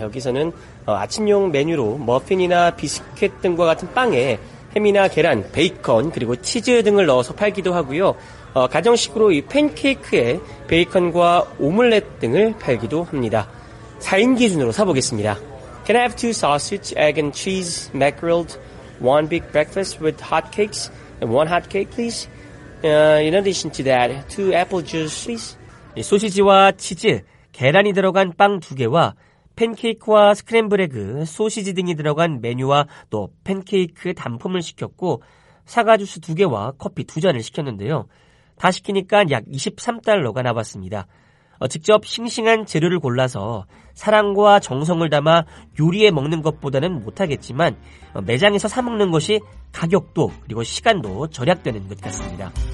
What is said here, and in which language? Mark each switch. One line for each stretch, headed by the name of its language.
Korean: 여기서는 아침용 메뉴로 머핀이나 비스킷 등과 같은 빵에 햄이나 계란, 베이컨, 그리고 치즈 등을 넣어서 팔기도 하고요. 가정식으로 이 팬케이크에 베이컨과 오믈렛 등을 팔기도 합니다. 4인 기준으로 사보겠습니다.
English: Can I have 2 sausage, egg and cheese, mackerel, 1 big breakfast with hotcakes, and 1 hotcake please? In addition to that, 2 apple juice please?
Korean: 소시지와 치즈, 계란이 들어간 빵 두 개와 팬케이크와 스크램블 에그, 소시지 등이 들어간 메뉴와 또 팬케이크 단품을 시켰고 사과 주스 두 개와 커피 두 잔을 시켰는데요. 다 시키니까 약 $23가 나왔습니다. 직접 싱싱한 재료를 골라서 사랑과 정성을 담아 요리해 먹는 것보다는 못하겠지만 매장에서 사 먹는 것이 가격도 그리고 시간도 절약되는 것 같습니다.